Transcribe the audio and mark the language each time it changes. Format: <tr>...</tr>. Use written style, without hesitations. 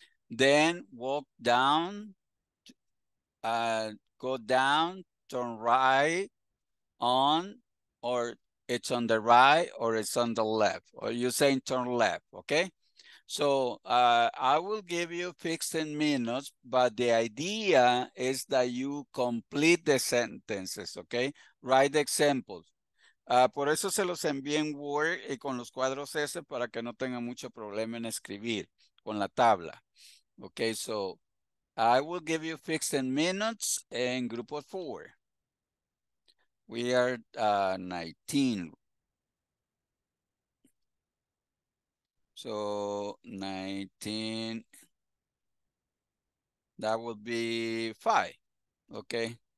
<en>Then walk down, go down, turn right, on, or it's on the right, or it's on the left, or you're saying turn left, okay? So I will give you 15 minutes, but the idea is that you complete the sentences, okay? Write examples.</en> <es>Por eso se los envié en Word y con los cuadros ese para que no tengan mucho problema en escribir con la tabla, okay?</es> <en>So I will give you 15 minutes in group of four. We are 19. So 19, that would be 5, okay?</en>